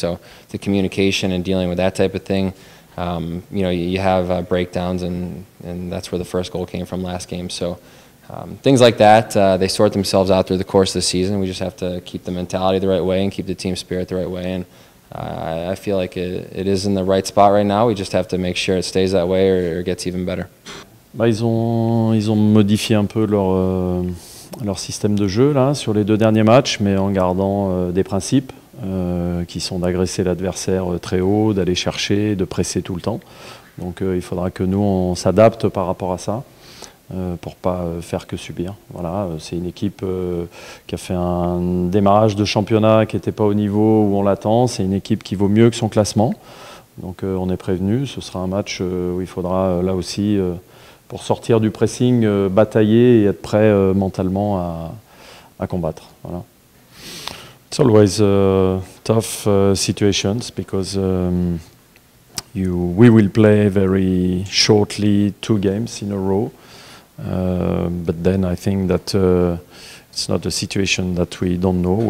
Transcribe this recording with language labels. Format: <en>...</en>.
<en>So the communication and dealing with that type of thing, you know, you have breakdowns and that's where the first goal came from last game. So things like that, they sort themselves out through the course of the season. We just have to keep the mentality the right way and keep the team spirit the right way. And I feel like it is in the right spot right now. We just have to make sure it stays that way or gets even better.</en> <fr>Bah, ils ont modifié un peu leur système de jeu là, sur les deux derniers matchs, mais en gardant des principes qui sont d'agresser l'adversaire très haut, d'aller chercher, de presser tout le temps. Donc il faudra que nous, on s'adapte par rapport à ça pour ne pas faire que subir. Voilà, c'est une équipe qui a fait un démarrage de championnat qui n'était pas au niveau où on l'attend. C'est une équipe qui vaut mieux que son classement. Donc on est prévenu, ce sera un match où il faudra là aussi... pour sortir du pressing, batailler et être prêt mentalement à combattre. Voilà.</fr> <en>It's always a tough situations because we will play very shortly two games in a row. But then I think that it's not a situation that we don't know.</en>